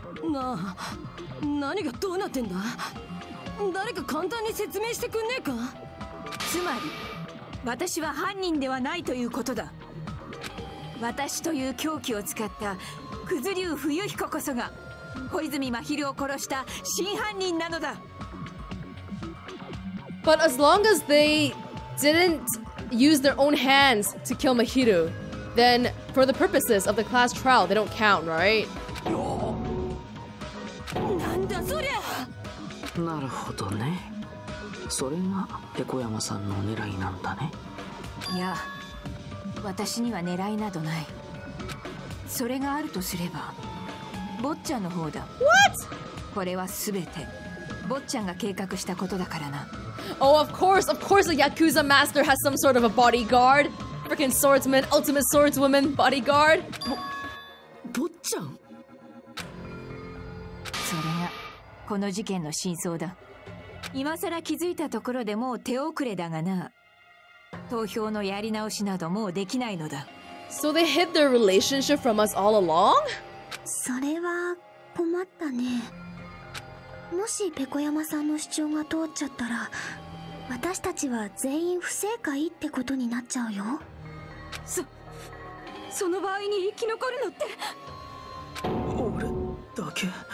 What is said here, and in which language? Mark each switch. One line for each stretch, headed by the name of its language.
Japanese: なあ、何がどうなってんだ？誰か簡単に説明してくんねえか。つまり私は犯人ではないということだ。私という凶器を使ったクズ竜冬彦こそが小泉真昼を殺した真犯人なのだ。
English: But as long as they didn't use their own hands to kill Mahiru, then for the purposes of the class trial they don't count, right?
Japanese: なんだそりゃ。なるほどね、それがペコ山さんの狙いなんだね。いや、私には狙いなどない。それがあるとすれば坊ちゃんの方だ。
English: What?
Japanese: これは全て坊ちゃんが計画したことだからな。
English: Oh, of course a Yakuza master has some sort of a bodyguard. Freaking swordsman, ultimate swordswoman bodyguard.
Japanese: 坊ちゃん、それがこの事件の真相だ。今さら気づいたところでもう手遅れだがな、投票のやり直しなどもうできないのだ。
English: So they hid their relationship from us all along?
Japanese: それは困ったね。もしペコ山さんの主張が通っちゃったら私たちは全員不正解ってことになっちゃうよ。その場合に生き残るのって俺だけ？